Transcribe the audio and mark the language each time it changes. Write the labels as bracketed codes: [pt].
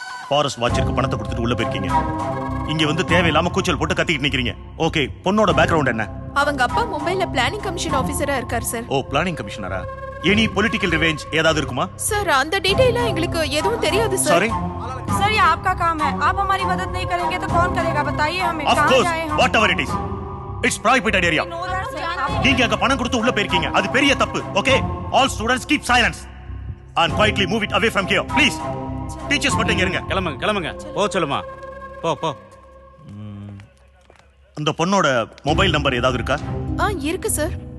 [ta] Forest வாட்சருக்கு பணத்தை கொடுத்துட்டு உள்ள போயிருக்கீங்க, இங்க வந்து தேவையில்லாம கூச்சல் போட்டு கத்திக்கிட்டு நிக்கிறீங்க. ஓகே, பொண்ணோட பேக்ரவுண்ட் என்ன? அவங்க அப்பா மும்பைல பிளானிங் கமிஷன் ஆபீசரா இருக்கார் சார். ஓ, பிளானிங் கமிஷனரா? [en] any political revenge [ta] ஏதாவது இருக்குமா சார்? அந்த டீடைல் எங்களுக்கு எதுவும் தெரியாது சார். [en] sorry [hi] சார், ये आपका काम है, आप हमारी मदद नहीं करेंगे तो कौन करेगा बताइए हमें? [en] Of course, whatever it is, it's private area. [ta] நீங்க அங்க பணம் கொடுத்து உள்ள போயிருக்கீங்க, அது பெரிய தப்பு. [en] Okay, all students keep silence and quietly move it away from here please. [ta] Teachers மட்டும் இங்க இருங்க. கிளம்புங்க கிளம்புங்க, போ சொல்லுமா, போ போ. அந்த பொண்ணோட மொபைல் நம்பர் ஏதாவது இருக்கா? ஆ, இருக்கு சார்.